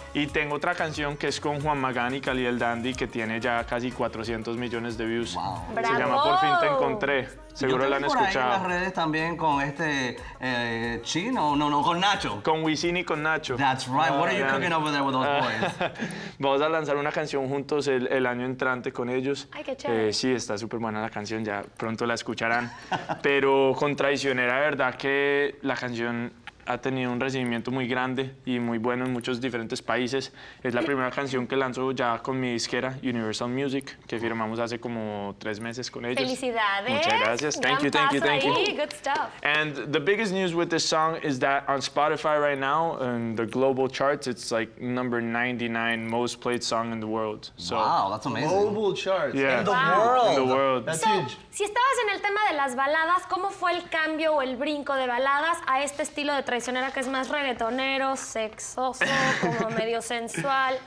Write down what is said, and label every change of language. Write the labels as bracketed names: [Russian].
[Spanish] Y tengo otra canción que es con Juan Magán y Khalil Dandy que tiene ya casi 400 millones de views. [English] Wow. [Spanish] Bravo. Se llama Por fin te encontré. Seguro yo la han escuchado. Por ahí en las redes también con este chino, no, con Nacho. Con Wisin y con Nacho. [English] That's right. What are you cooking over there with those boys? [Spanish] Vamos a lanzar una canción juntos el año entrante con ellos. Ay, qué chévere. Sí, está súper buena la canción, ya pronto la escucharán. Pero con Traicionera, verdad que la canción ha tenido un recibimiento muy grande y muy bueno en muchos diferentes países. Es la primera canción que lanzo ya con mi disquera, Universal Music, que firmamos hace como 3 meses con ellos. ¡Felicidades! Muchas gracias. [English] Thank you, thank you, thank you. Good stuff. And the biggest news with this song is that on Spotify right now, in the global charts, it's like number 99 most played song in the world. So, wow, that's amazing. Global charts. Yeah. In the world. In the world. That's huge. [Spanish] Si estabas en el tema de las baladas, ¿cómo fue el cambio o el brinco de baladas a este estilo de traicionera que es más reggaetonero, sexoso, como medio sensual?